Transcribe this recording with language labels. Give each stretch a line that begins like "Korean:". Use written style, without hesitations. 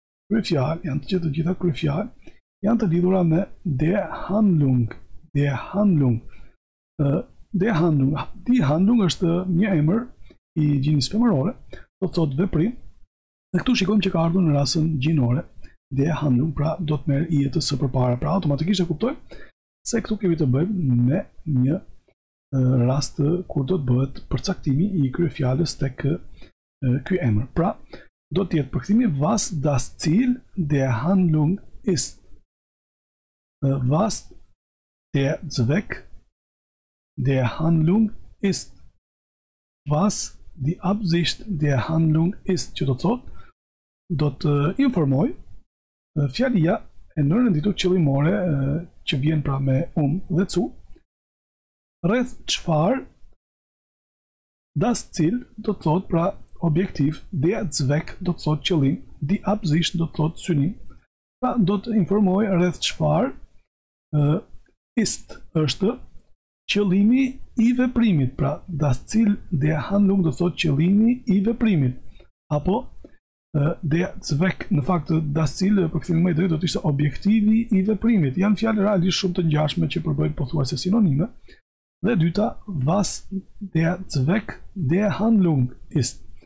Albanian: kryefjalë, janë të gjitha kryefjalë, janë të lidhura me der Handlung është një emër i gjinis femërore, do të thotë veprim, dhe këtu shikojmë që ka ardhur në rasën gjinore, der Handlung, pra do të merë ijetës së përpara, pra automatikisht e kuptoj, se këtu kemi të bëjmë me një rast kur do të bëhet përcaktimi i kryefjalës tek ky emër. Pra, do të jetë përkthimi
German: was das Ziel der Handlung ist. Was der Zweck der Handlung ist. Was die Absicht der Handlung ist.
Albanian: Që do të thotë, do të informoj fjalia e nërënditur qëllimore që vjen pra me dhe cu, rreth çfarë das Ziel do të thot pra objektiv, der Zweck do të thot qëllim, die Absicht do të thot synim, pra do të informoj rreth çfarë ist është qëllimi i veprimit, pra
German: das Ziel der Handlung
Albanian: do të thot qëllimi i veprimit, apo der Zweck, në fakt, das Ziel, për këtë më i drejtë, do të ishte objektivi i veprimit. Janë fjalë realisht shumë të ngjashme që përbëjnë pothuajse sinonime. Dhe dyta,
German: was der Zweck der Handlung ist.